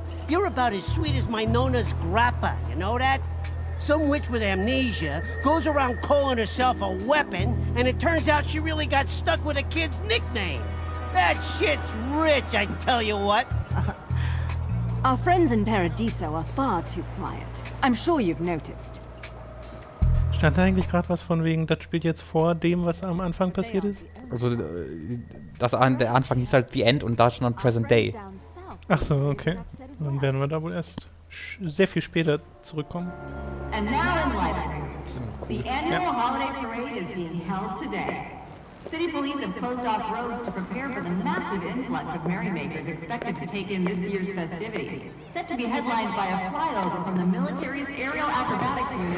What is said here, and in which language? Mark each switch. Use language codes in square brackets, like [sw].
[en] You're about as sweet as my Nona's grappa, you know that? Some witch with amnesia goes around calling herself a weapon, and it turns out she really got stuck with a kid's nickname. That shit's rich, I tell you what. Our friends in Paradiso are far too quiet. I'm sure you've noticed. [de] Stand da eigentlich gerade was von wegen, das spielt jetzt vor dem, was am Anfang passiert ist? Also, der Anfang hieß halt The End und da schon am Present Day. Ach so, okay. Dann werden wir da wohl erst sehr viel später zurückkommen. [en] And now in Lighthouse, the annual holiday parade is being held today. City police have closed off roads to prepare for the massive influx of merrymakers expected to take in this year's festivities, set to be headlined by a flyover from the military's aerial acrobatics unit.